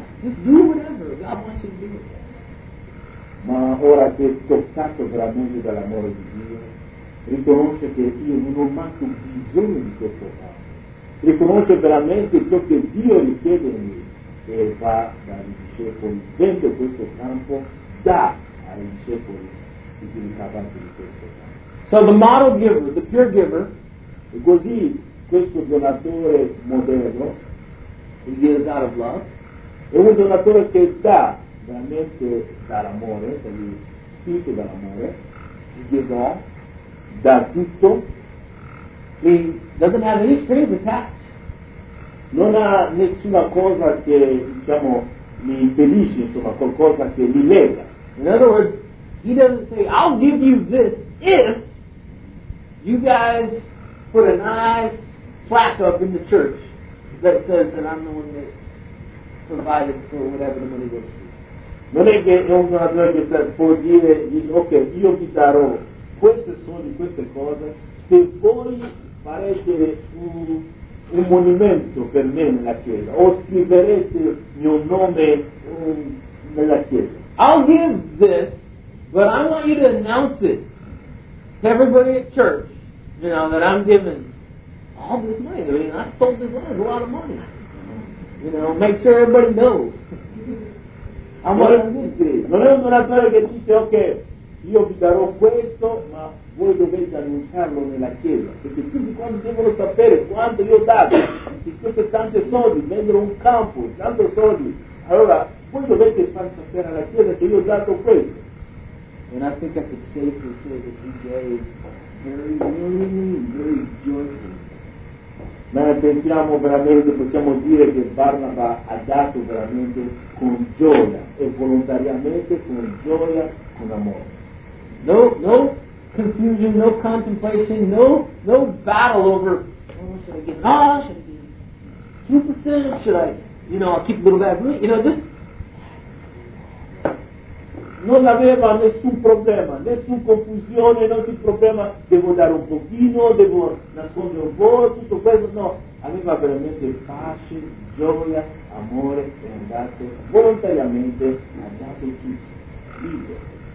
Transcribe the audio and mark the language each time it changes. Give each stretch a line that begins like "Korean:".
English: Just do whatever God wants you to do.
Italian: Ma ora che è toccato veramente dall'amore di Dio, riconosce che io non ho manco bisogno di questo fatto. Riconosce veramente ciò che Dio richiede di me e va dai discepoli, vende questo campo, dà ai discepoli di cui avanti di questo campo.
English: So the model giver, the pure giver,
Italian: e così questo donatore modello,
English: he gives out of love,
Italian: è un donatore che dà veramente dall'amore, dagli spinto dall'amore,
English: he gives all,
Italian: dà tutto,
English: he doesn't have any strings attached,
Italian: non ha nessuna cosa che diciamo mi impedisce, insomma qualcosa che mi lega.
English: In other words, he doesn't say, I'll give you this if you guys put a nice plaque up in the church that says that I'm the one that provided for whatever the money goes to.
Italian: Non è che è un donatore che può dire, ok, io vi darò queste soldi, queste cose, se voi farete un monumento per me nella chiesa, o scriverete il mio nome nella chiesa.
English: I'll give this, but I want you to announce it to everybody at church, you know, that I'm giving all this money. I mean, I sold this land, a lot of money. You know, make sure everybody knows.
Italian: Non è un donatore che dice, ok, io vi darò questo, ma voi dovete annunciarlo nella chiesa. Perché tutti quanti devono sapere quanto io dato, se queste tante soldi, vendono un campo, tanto soldi. Allora, voi dovete far sapere alla chiesa che io ho dato questo.
English: And I think I could say for sure that he gave very willingly and very joyfully.
Italian: Ma pensiamo veramente, possiamo dire che Barnaba ha dato veramente con gioia e volontariamente, con gioia, con amore.
English: No, no confusion, no contemplation, no, no battle over, oh, should I give all, should I give 2%, should I, you know, I'll keep a little bit of money, you know, just.
Italian: Non aveva nessun problema, nessun confusione, nessun problema, devo dare un pochino, devo nascondere un po', tutto questo, no. Aveva veramente pace, gioia, amore, e andate volontariamente, andate tutto, libero.